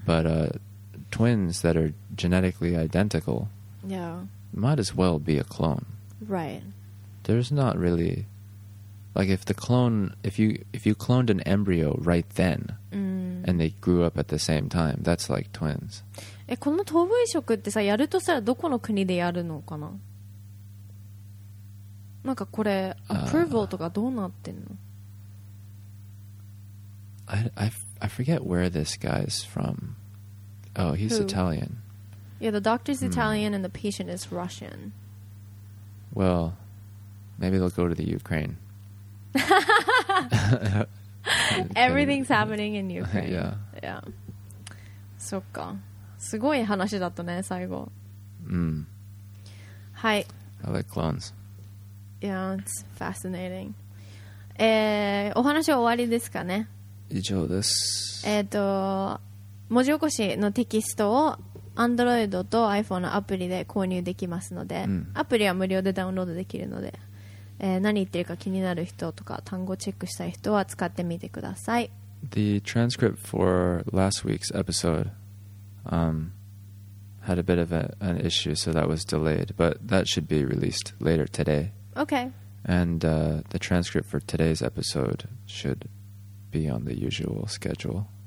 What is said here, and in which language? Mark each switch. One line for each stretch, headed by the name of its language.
English: But twins that are genetically identical. Yeah. Might as well be a clone. Right. There's not really, like, if you cloned an embryo right then, and they grew up at the same time, that's like twins.
Japanese: え、この頭部移植ってさ、やるとしたらどこの国でやるのかな？なんかこれ、approval とかどうなってんの？
English: I forget where this guy's from. Oh, he's Who? Italian. Yeah, the doctor's Italian, and the patient is Russian. Well. Maybe they'll go to the Ukraine. Everything's happening in Ukraine. Yeah. Yeah.
Japanese: そっか。すごい話だったね、最後。うん。はい。
English: I like clones. Yeah, it's fascinating.
Japanese: お話は終わりですかね。以上です。文字起こしのテキストを Android と iPhone のアプリで購入できますので、うん、アプリは無料でダウンロードできるので、何言ってるか気になる人とか単語チェックしたい人は使ってみてください。
English: The transcript for last week's episode, had a bit of an issue, so that was delayed, but that should be released later today. Okay. And the transcript for today's episode should be on the usual schedule.